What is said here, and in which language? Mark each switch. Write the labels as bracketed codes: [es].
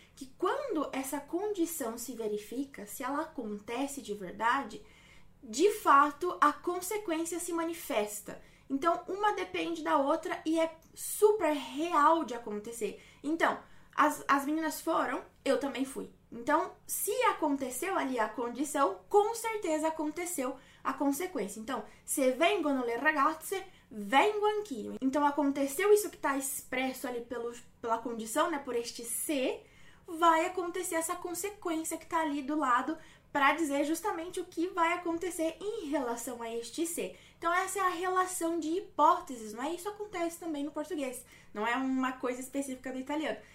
[pt] Que quando essa condição se verifica, se ela acontece de verdade, de fato a consequência se manifesta. Então, uma depende da outra e é super real de acontecer. Então, as meninas foram, eu também fui. Então, se aconteceu ali a condição, com certeza aconteceu a consequência. [it] Então, se vengono le ragazze, vengo anch'io. [pt] Então, aconteceu isso que está expresso ali pela condição, né, por este se. Vai acontecer essa consequência que está ali do lado para dizer justamente o que vai acontecer em relação a este ser. Então, essa é a relação de hipóteses, não é? Isso acontece também no português, não é uma coisa específica do italiano.